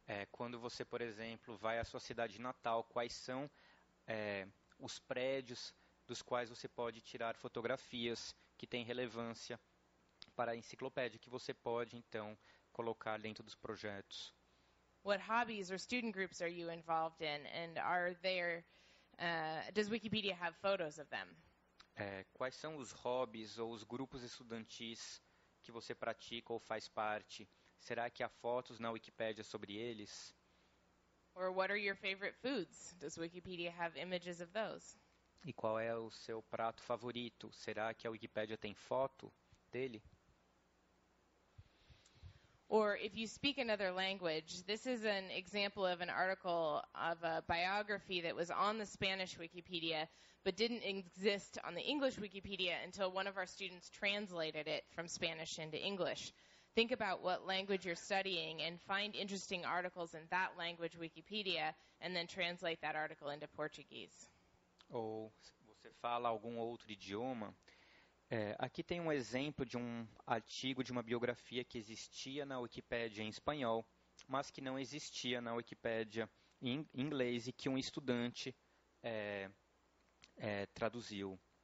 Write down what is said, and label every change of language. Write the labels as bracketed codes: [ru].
[pt] Quando você, por exemplo, vai à sua cidade natal, quais são os prédios dos quais você pode tirar fotografias que têm relevância para a enciclopédia, que você pode, então, colocar dentro dos projetos? [en] What hobbies or student groups are you involved in, and are there, does Wikipedia have photos of them? [pt] Quais são os hobbies ou os grupos estudantis que você pratica ou faz parte? Será que há fotos na Wikipédia sobre eles? [en] Or what are your favorite foods? Does Wikipedia have images of those? [pt] E qual é o seu prato favorito? Será que a Wikipédia tem foto dele? [en] Or if you speak another language, this is an example of an article of a biography that was on the Spanish Wikipedia, but didn't exist on the English Wikipedia until one of our students translated it from Spanish into English. Think about what language you're studying and find interesting articles in that language Wikipedia and then translate that article into Portuguese. [pt] Ou você fala algum outro idioma? Aqui tem um exemplo de um artigo de uma biografia que existia na Wikipédia em espanhol, mas que não existia na Wikipédia em inglês e que um estudante traduziu.